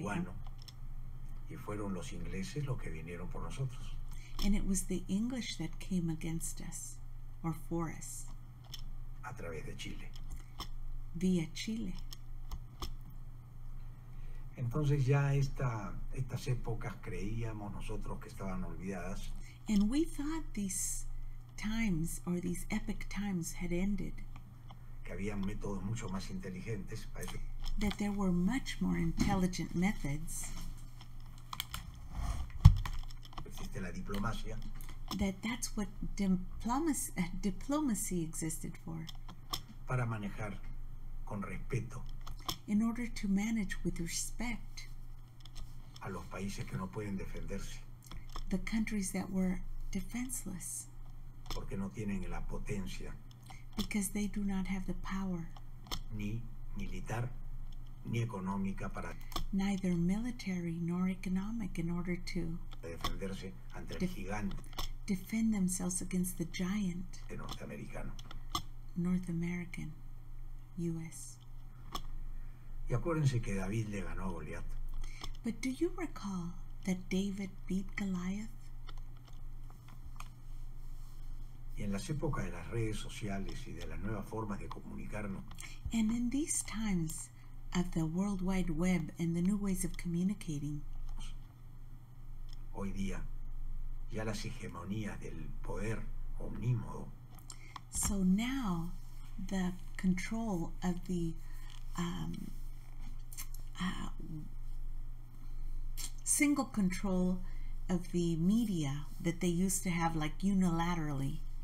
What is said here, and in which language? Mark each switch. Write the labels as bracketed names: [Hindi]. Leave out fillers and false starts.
[Spanish] bueno, y fueron los ingleses los que vinieron por nosotros, [English] and it was the English that came against us or for us, [Spanish] a través de Chile, [English] via Chile. [Spanish] Entonces ya estas épocas creíamos nosotros que estaban olvidadas. [English] And we thought these times or these epic times had ended. [Spanish] Que había métodos mucho más inteligentes para eso. [English] That there were much more intelligent methods. [Spanish] Existe la diplomacia. [English] That's what diplomacy existed for. [Spanish] Para manejar con respeto. [English] In order to manage with respect [Spanish] a los países que no pueden defenderse, [English] the countries that were defenseless, [Spanish] porque no tienen la potencia, [English] because they do not have the power, [Spanish] ni militar ni económica para, [English] neither military nor economic, in order to [Spanish] defenderse ante el gigante, [English] defend themselves against the giant, [Spanish] el norteamericano, [English] North American, US. [Spanish] Y acuérdense que David le ganó a Goliat. [English] But do you recall that David beat Goliath? [Spanish] Y en las épocas de las redes sociales y de las nuevas formas de comunicarnos. [English] And in these times of the World Wide Web and the new ways of communicating. [Spanish] Hoy día, ya las hegemonías del poder omnímodo. [English] So now, the control of the single control of the media that they used to have, like unilaterally.